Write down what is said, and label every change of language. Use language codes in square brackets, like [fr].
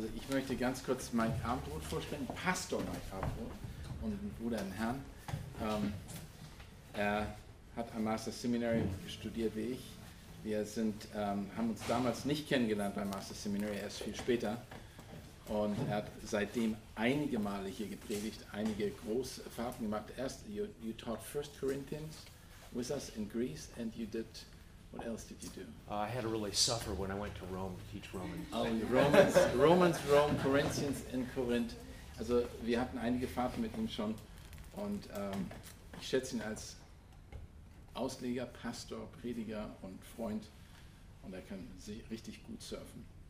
[de] möchte ganz kurz Mike Armbrot vorstellen, Pastor Mike Armbrot und ein Bruder im Herrn. Er hat am Master Seminary studiert wie ich. Wir sind, haben uns damals nicht kennengelernt beim Master Seminary, erst viel später. Und er hat seitdem einige Male hier gepredigt, einige große Erfahrungen gemacht. [en] Erst, you taught 1 Corinthians with us in Greece and you did... What else did you do? I had to really suffer when I went to Rome to teach Romans. Oh, Romans, Rome, Corinthians in Corinth. [de] Also wir hatten einige Fahrten mit ihm schon und ich schätze ihn als Ausleger, Pastor, Prediger und Freund und er kann richtig gut surfen.